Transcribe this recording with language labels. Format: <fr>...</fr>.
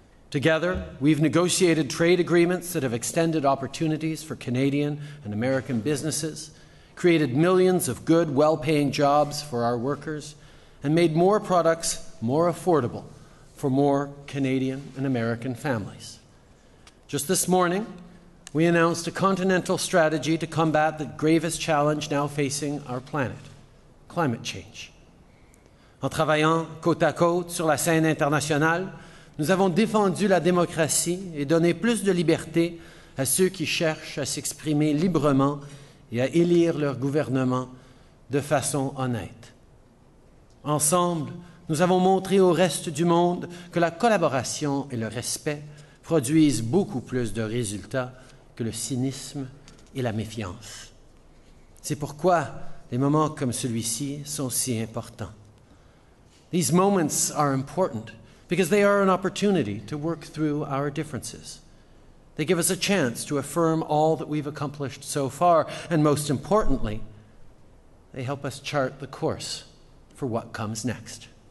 <en>Together, we've negotiated trade agreements that have extended opportunities for Canadian and American businesses, created millions of good, well-paying jobs for our workers, and made more products more affordable for more Canadian and American families. Just this morning, we announced a continental strategy to combat the gravest challenge now facing our planet, climate change.</en> <fr>En travaillant côte à côte sur la scène internationale, nous avons défendu la démocratie et donné plus de liberté à ceux qui cherchent à s'exprimer librement et à élire leur gouvernement de façon honnête. Ensemble, nous avons montré au reste du monde que la collaboration et le respect produisent beaucoup plus de résultats que le cynisme et la méfiance. C'est pourquoi les moments comme celui-ci sont si importants.</fr> <en>These moments are important because they are an opportunity to work through our differences. They give us a chance to affirm all that we've accomplished so far, and most importantly, they help us chart the course for what comes next.</en>